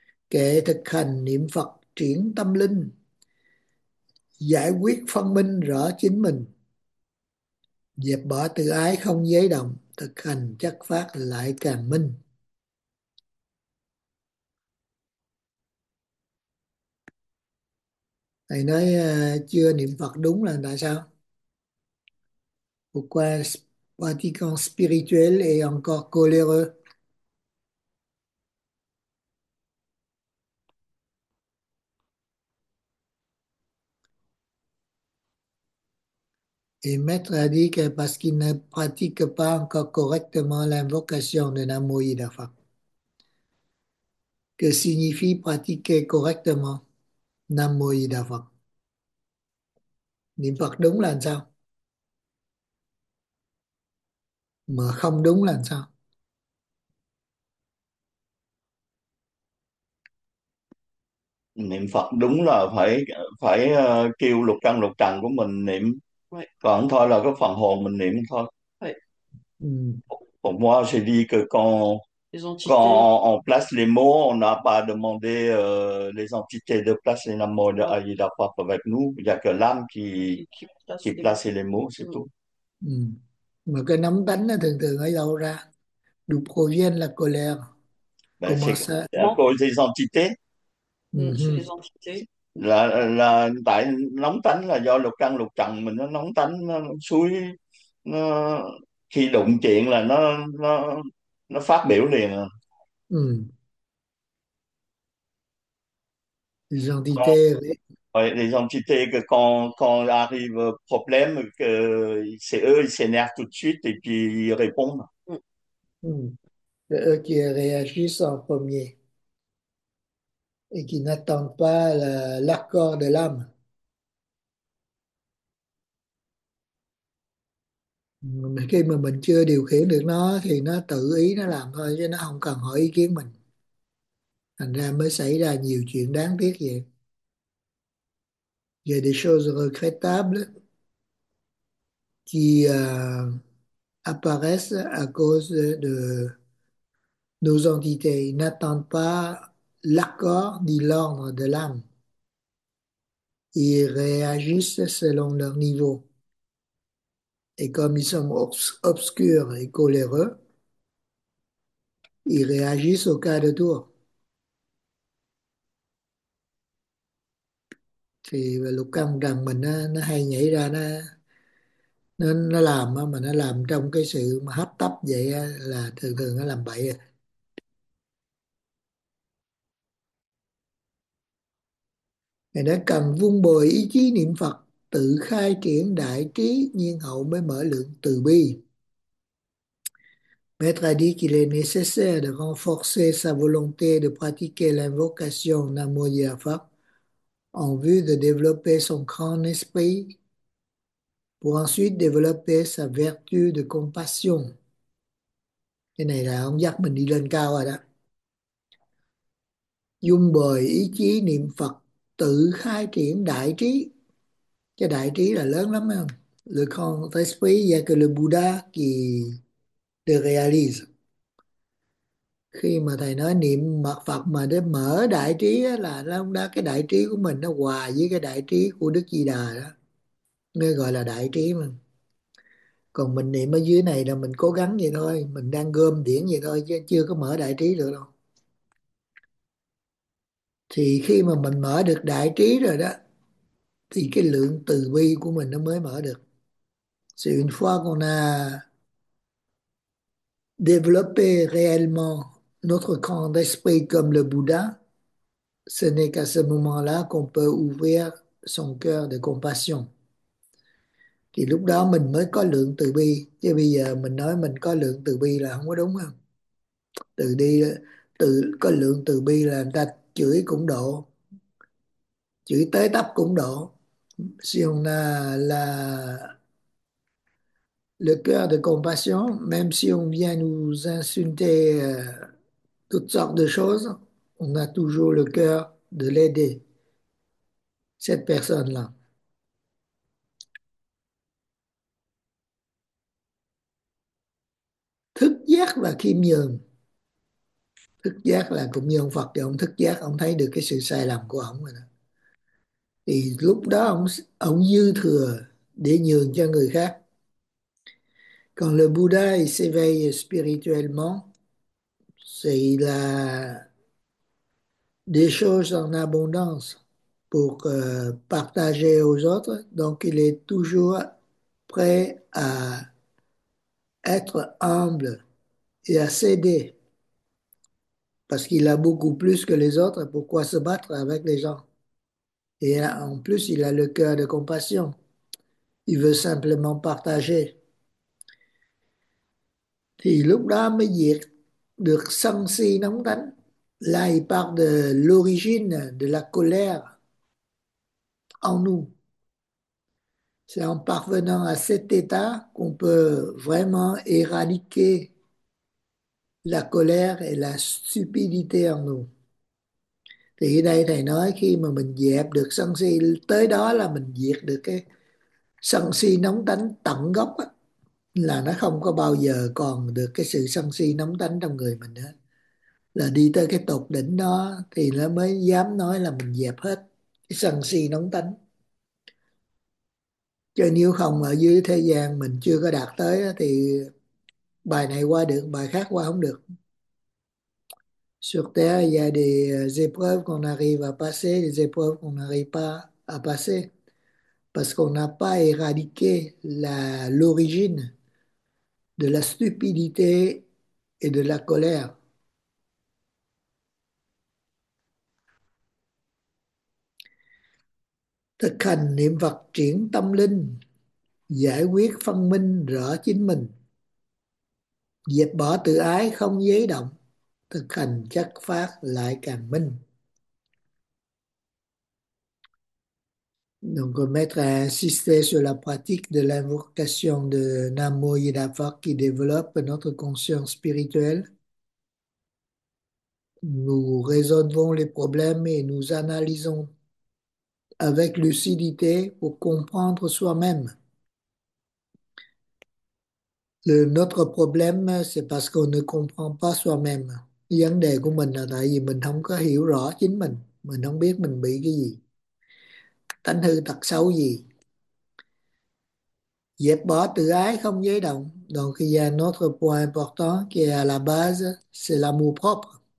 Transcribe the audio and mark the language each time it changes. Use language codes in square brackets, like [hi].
[vi] Kệ thực hành niệm Phật triển tâm linh, giải quyết phân minh rõ chính mình, dẹp bỏ tự ái không dấy động, thực hành chất phát lại càng minh. Thầy nói chưa niệm Phật đúng là tại sao? [fr] Pourquoi pratiquant spirituel est encore coléreux? Et maître a dit que parce qu'il ne pratique pas encore correctement l'invocation de Namo Amida Butsu. Que signifie pratiquer correctement Namo Amida Butsu? [vi] Niệm Phật đúng là sao? Mà không đúng là sao? Niệm Phật đúng là phải phải kêu lục căn lục trần của mình niệm, còn thôi là cái phần hồn mình niệm thôi. [fr] Moi j'ai dit que Les entités. quand on place les mots, on n'a pas demandé les entités de placer les mots de Ayida Pop avec nous. Il n'y a que l'âme qui place les mots, c'est tout. [vi] Mà cái nóng tánh nó thường thường ở đâu ra? [fr] D'où provient la colère? Ben, Comment c'est ça? à cause des entités. C'est les entités. [vi] Là tại nóng tánh là do lục căn lục trần mình, nó nóng tánh nó xúi, nó khi đụng chuyện là nó phát biểu liền. [fr] Les [vi] Còn [fr] entités, oui. [vi] vậy [fr] les entités que quand arrive problème que c'est eux ils s'énervent tout de suite et puis ils répondent. C'est eux qui réagissent en premier et qui n'attendent pas l'accord de l'âme. [vi] Mà khi mà mình chưa điều khiển được nó thì nó tự ý nó làm thôi, chứ nó không cần hỏi ý kiến mình. Thành ra mới xảy ra nhiều chuyện đáng tiếc vậy. [fr] Il y a des choses regrettables qui apparaissent à cause de Nos entités n'attendent pas l'accord ni l'ordre de l'âme. Ils réagissent selon leur niveau. Et comme ils sont obscurs et coléreux, ils réagissent au quart de tour. [vi] Thì lục căn rằng mình nó hay nhảy ra nó làm mà nó làm trong cái sự mà hấp tấp vậy là thường thường nó làm bậy. Thì nó cần vun bồi ý chí niệm Phật, tự khai triển đại trí nhiên hậu mới mở lượng từ bi. [fr] Maître a dit qu'il est nécessaire de renforcer sa volonté de pratiquer l'invocation Namo en vue de développer son grand esprit pour ensuite développer sa vertu de compassion. [vi] Cái này là ông dắt mình đi lên cao rồi đó. Dung bồi ý chí niệm Phật, tự khai triển đại trí. Cái đại trí là lớn lắm không? [fr] Le grand esprit, il y a que le Bouddha qui le réalise. [vi] Khi mà thầy nói niệm mật Phật mà để mở đại trí á, là nó không đã cái đại trí của mình nó hòa với cái đại trí của Đức Di Đà đó, nó gọi là đại trí mà. Còn mình niệm ở dưới này là mình cố gắng vậy thôi, mình đang gom điển vậy thôi chứ chưa có mở đại trí được đâu. Thì khi mà mình mở được đại trí rồi đó thì cái lượng từ bi của mình nó mới mở được. [fr] C'est une fois qu'on a développer réellement notre grand esprit comme le Bouddha, ce n'est qu'à ce moment-là qu'on peut ouvrir son cœur de compassion. [vi] Thì lúc đó mình mới có lượng từ bi. Chứ bây giờ mình nói mình có lượng từ bi là không có đúng không? Từ đi, từ có lượng từ bi là người ta chửi cũng độ, chửi tới tấp cũng độ. [fr] Si on a là le cœur de compassion, même si on vient nous insulter toutes sortes de choses, on a toujours le cœur de l'aider, cette personne-là. [vi] Thức giác và khiêm nhường. Thức giác là cũng như ông Phật thì ông thức giác, ông thấy được cái sự sai lầm của ông rồi đó. Thì lúc đó ông dư thừa để nhường cho người khác. Còn [fr] le Bouddha, il s'éveille spirituellement, c'est la des choses en abondance pour partager aux autres. Donc, il est toujours prêt à être humble et à céder parce qu'il a beaucoup plus que les autres. Pourquoi se battre avec les gens? Et en plus, il a le cœur de compassion. Il veut simplement partager. [vi] Thì lúc đó mới diệt được sân si nóng tánh. [fr] Là il parle de l'origine de la colère en nous. C'est en parvenant à cet état qu'on peut vraiment éradiquer la colère et la stupidité en nous. [vi] Thì đây thầy nói khi mà mình dẹp được sân si, tới đó là mình diệt được cái sân si nóng tánh tận gốc á, là nó không có bao giờ còn được cái sự sân si nóng tánh trong người mình nữa. Là đi tới cái tột đỉnh đó thì nó mới dám nói là mình dẹp hết cái sân si nóng tánh. Chứ nếu không ở dưới thế gian mình chưa có đạt tới thì bài này qua được, bài khác qua không được. [fr] Sur Terre, il y a des épreuves qu'on arrive à passer, des épreuves qu'on n'arrive pas à passer. Parce qu'on n'a pas éradiqué l'origine de la stupidité et de la colère. [vi] Thực hành niệm Phật triển tâm linh, giải quyết phân minh rõ chính mình, dẹp bỏ tự ái không dấy động, thực hành chất phát lại càng minh. [fr] Donc, le maître a insisté sur la pratique de l'invocation de Namo Yidapha qui développe notre conscience spirituelle. Nous résolvons les problèmes et nous analysons avec lucidité pour comprendre soi-même. Notre problème, c'est parce qu'on ne comprend pas soi-même. [vi] Vấn đề của mình là tại vì mình không có hiểu rõ chính mình không biết mình bị cái gì, tánh hư tật xấu gì. Dẹp bỏ tự ái không giới động, [fr] donc [vi] khi là [fr] notre point important qui est la base, c'est l'amour propre.